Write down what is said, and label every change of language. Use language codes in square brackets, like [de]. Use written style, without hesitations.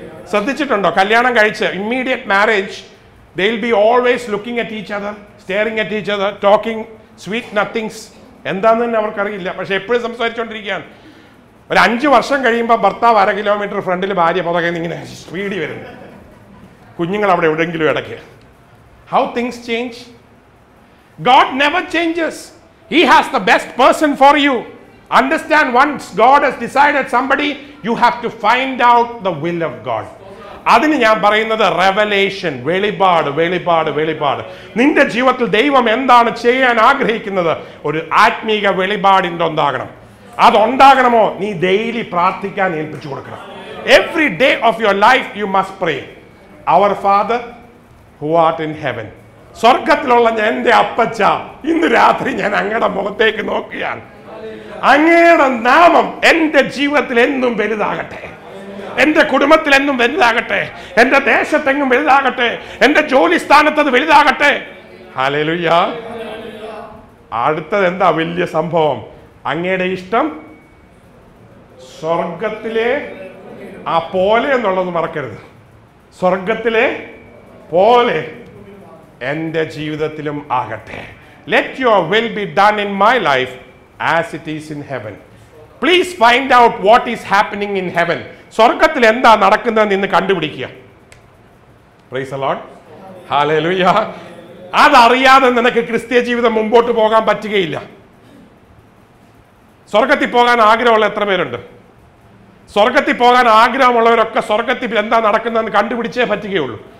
[ml] ശ്രദ്ധിച്ചിട്ടുണ്ടോ, കല്യാണം കഴിച്ച് [en] immediate marriage they will be always looking at each other, staring at each other, talking sweet nothings, [ml] എന്താന്ന് തന്നെ അവർക്കറിയില്ല. പക്ഷെ എപ്പോഴും സംസാരിച്ചുകൊണ്ടിരിക്കുകയാണ്. ഒരു അഞ്ചു വർഷം കഴിയുമ്പോൾ ഭർത്താവ് അര കിലോമീറ്റർ ഫ്രണ്ടിൽ ഭാര്യ പുതകെ ഇങ്ങനെ സ്പീഡി വരുന്നു, കുഞ്ഞുങ്ങൾ അവിടെ എവിടെയെങ്കിലും ഇടയ്ക്ക്. [en] How things change. God never changes. He has the best person for you. Understand, once God has decided somebody, you have to find out the will of God. [ml] അതിന് ഞാൻ പറയുന്നത് റെവലേഷൻ, വെളിപാട്, വെളിപാട്, വെളിപാട്. നിന്റെ ജീവിതത്തിൽ ദൈവം എന്താണ് ചെയ്യാൻ ആഗ്രഹിക്കുന്നത്? ഒരു ആത്മീയ വെളിപാടിൻ്റെ ഉണ്ടാകണം. അതുണ്ടാകണമോ, നീ ഡെയിലി പ്രാർത്ഥിക്കാൻ ഏൽപ്പിച്ചു കൊടുക്കണം. [en] Every day of your life you must pray. Our father who art in heaven. [ml] സ്വർഗത്തിലുള്ള എന്റെ അപ്പച്ച, ഇന്ന് രാത്രി ഞാൻ അങ്ങയുടെ മുഖത്തേക്ക് നോക്കുകയാണ്. അങ്ങയുടെ നാമം എന്റെ ജീവിതത്തിൽ എന്നും വലുതാകട്ടെ, എന്റെ കുടുംബത്തിൽ എന്നും വലുതാകട്ടെ, എന്റെ ദേശത്തെങ്ങും വലുതാകട്ടെ, എന്റെ ജോലി സ്ഥാനത്ത് അത് വലുതാകട്ടെ. ഹല്ലേലൂയ. അടുത്തത് എന്താ വലിയ സംഭവം? അങ്ങയുടെ ഇഷ്ടം സ്വർഗത്തിലെ ആ പോലെ എന്നുള്ളത് മറക്കരുത്. സ്വർഗത്തിലെ പോലെ എന്റെ ജീവിതത്തിലും ആകട്ടെ. [en] Let your will be done in my life as it is in heaven. Please find out what is happening in heaven. [ml] സ്വർഗത്തിൽ എന്താ നടക്കുന്നത് നിന്ന് കണ്ടുപിടിക്കുക. [en] praise the Lord, [ml] hallelujah. അതറിയാതെ നിനക്ക് ക്രിസ്തീയ ജീവിതം മുമ്പോട്ട് പോകാൻ പറ്റുകയില്ല. സ്വർഗത്തിൽ പോകാൻ ആഗ്രഹമുള്ള എത്ര പേരുണ്ട്? സ്വർഗത്തിൽ പോകാൻ ആഗ്രഹമുള്ളവരൊക്കെ സ്വർഗത്തിൽ എന്താ നടക്കുന്നതെന്ന് കണ്ടുപിടിച്ചേ പറ്റുകയുള്ളൂ.